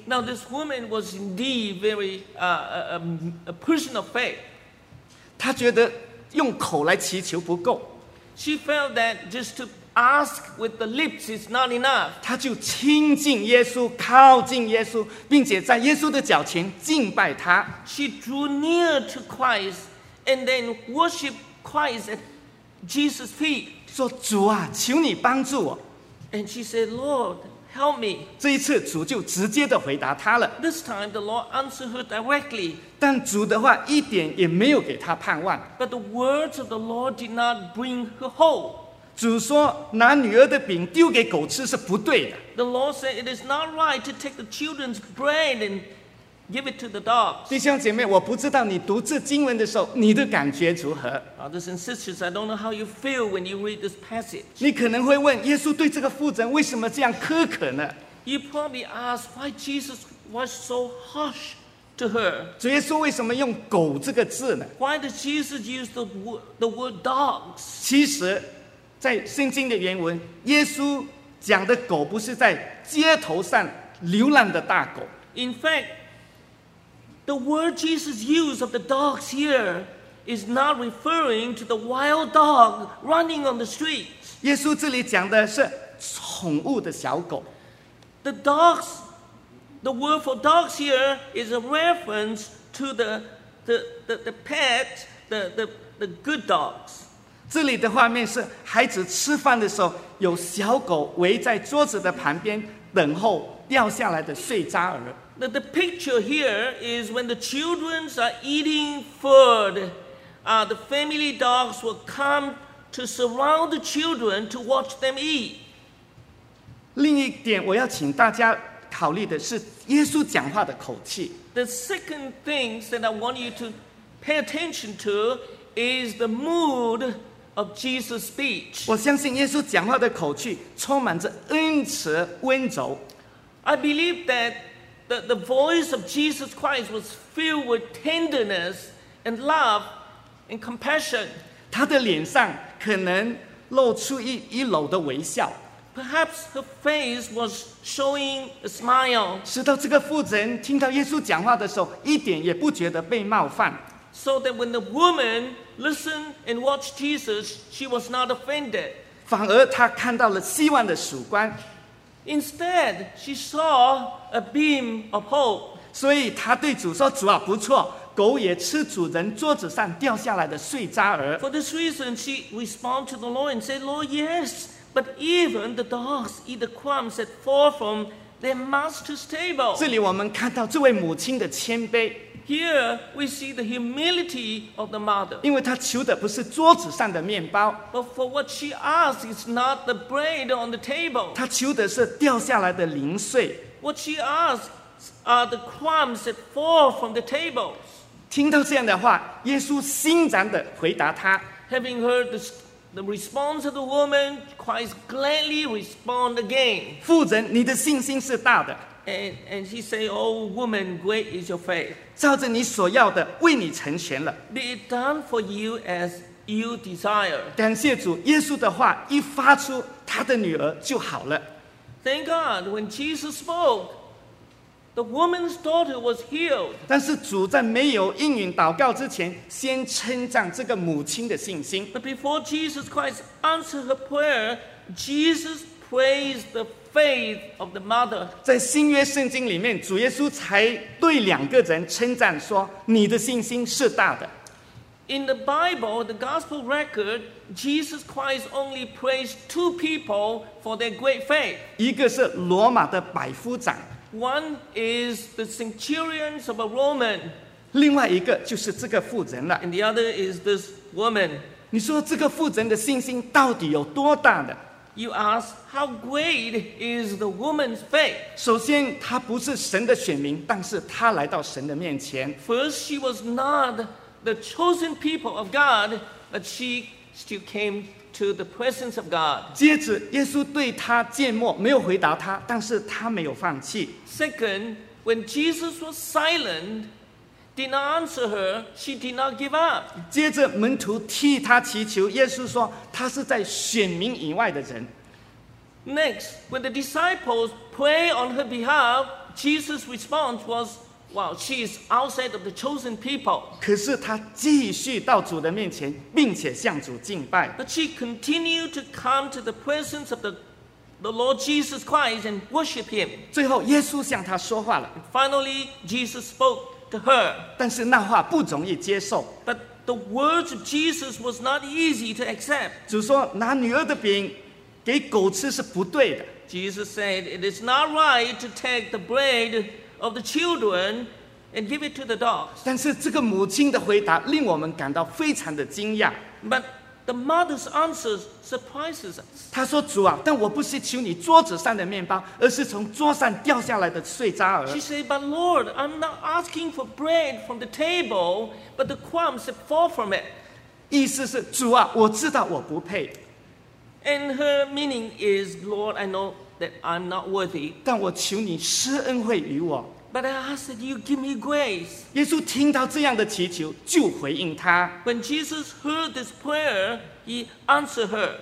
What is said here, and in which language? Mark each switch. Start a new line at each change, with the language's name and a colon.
English: Now this woman was indeed very a person of faith.
Chinese: 她觉得用口来祈求不够。
English: She felt that just to ask with the lips is not enough.
Chinese: 他就亲近耶稣，靠近耶稣，并且在耶稣的脚前敬拜他。
English: She drew near to Christ and then worshiped Christ at Jesus' feet.
Chinese: 说主啊，求你帮助我。
English: And she said, Lord, help me.
Chinese: 这一次主就直接的回答他了。
English: This time the Lord answered her directly.
Chinese: 但主的话一点也没有给他盼望。
English: But the words of the Lord did not bring her hope.
Chinese: 主说拿女儿的饼丢给狗吃是不对的。
English: The Lord said it is not right to take the children's bread and give it to the dogs.
Chinese: 弟兄姐妹，我不知道你读这经文的时候你的感觉如何。
English: Brothers and sisters, I don't know how you feel when you read this passage.
Chinese: 你可能会问，耶稣对这个妇人为什么这样苛刻呢？
English: You probably ask why Jesus was so harsh to her.
Chinese: 主耶稣为什么用狗这个字呢？
English: Why does Jesus use the word dogs?
Chinese: 其实在圣经的原文，耶稣讲的狗不是在街头上流浪的大狗。
English: In fact, the word Jesus used of the dogs here is not referring to the wild dog running on the streets.
Chinese: 耶稣这里讲的是宠物的小狗。
English: The dogs, the word for dogs here is a reference to the pet, the good dogs.
Chinese: 这里的画面是孩子吃饭的时候，有小狗围在桌子的旁边等候掉下来的碎渣儿。
English: The picture here is when the children are eating food. The family dogs will come to surround the children to watch them eat.
Chinese: 另一点我要请大家考虑的是耶稣讲话的口气。
English: The second thing that I want you to pay attention to is the mood of Jesus' speech.
Chinese: 我相信耶稣讲话的口气充满着恩慈温柔。
English: I believe that the voice of Jesus Christ was filled with tenderness and love and compassion.
Chinese: 他的脸上可能露出一缕的微笑。
English: Perhaps her face was showing a smile.
Chinese: 使到这个妇人听到耶稣讲话的时候，一点也不觉得被冒犯。
English: So that when the woman listened and watched Jesus, she was not offended.
Chinese: 反而她看到了希望的曙光。
English: Instead, she saw a beam of hope.
Chinese: 所以她对主说：“主啊，不错，狗也吃主人桌子上掉下来的碎渣儿。”
English: For this reason, she responded to the Lord and said, "Lord, yes, but even the dogs eat the crumbs that fall from their master's table."
Chinese: 这里我们看到这位母亲的谦卑。
English: Here we see the humility of the mother.
Chinese: 因为她求的不是桌子上的面包。
English: But for what she asks is not the bread on the table.
Chinese: 她求的是掉下来的零碎。
English: What she asks are the crumbs that fall from the tables.
Chinese: 听到这样的话，耶稣欣然地回答她。
English: Having heard the response of the woman, Christ gladly responded again.
Chinese: 妇人，你的信心是大的。
English: And he said, "Oh, woman, great is your faith."
Chinese: 照着你所要的，为你成全了。
English: Be it done for you as you desire.
Chinese: 感谢主，耶稣的话一发出，他的女儿就好了。
English: Thank God, when Jesus spoke, the woman's daughter was healed.
Chinese: 但是主在没有应允祷告之前，先称赞这个母亲的信心。
English: But before Jesus Christ answered her prayer, Jesus praised the faith of the mother.
Chinese: 在新约圣经里面，主耶稣才对两个人称赞说：“你的信心是大的。”
English: In the Bible, the gospel record, Jesus Christ only praised two people for their great faith.
Chinese: 一个是罗马的百夫长。
English: One is the centurion of a Roman.
Chinese: 另外一个就是这个妇人了。
English: And the other is this woman.
Chinese: 你说这个妇人的信心到底有多大的？
English: You ask, how great is the woman's faith?
Chinese: 首先，她不是神的选民，但是她来到神的面前。
English: First, she was not the chosen people of God, but she still came to the presence of God.
Chinese: 接着，耶稣对她缄默，没有回答她，但是她没有放弃。
English: Second, when Jesus was silent, did not answer her, she did not give up.
Chinese: 接着门徒替她祈求，耶稣说她是在选民以外的人。
English: Next, when the disciples pray on her behalf, Jesus' response was, well, she is outside of the chosen people.
Chinese: 可是她继续到主的面前，并且向主敬拜。
English: But she continued to come to the presence of the Lord Jesus Christ and worship him.
Chinese: 最后耶稣向她说话了。
English: Finally, Jesus spoke. Her.
Chinese: 但是那话不容易接受。
English: But the words of Jesus was not easy to accept.
Chinese: 主说拿女儿的饼给狗吃是不对的。
English: Jesus said, "It is not right to take the bread of the children and give it to the dogs."
Chinese: 但是这个母亲的回答令我们感到非常的惊讶。
English: But the mother's answer surprises us.
Chinese: 她说主啊，但我不是求你桌子上的面包，而是从桌上掉下来的碎渣儿。
English: She said, "But Lord, I'm not asking for bread from the table, but the crumbs that fall from it."
Chinese: 意思是主啊，我知道我不配。
English: And her meaning is, "Lord, I know that I'm not worthy."
Chinese: 但我求你施恩惠于我。
English: But I ask that you give me grace.
Chinese: 耶稣听到这样的祈求，就回应他。
English: When Jesus heard this prayer, he answered her.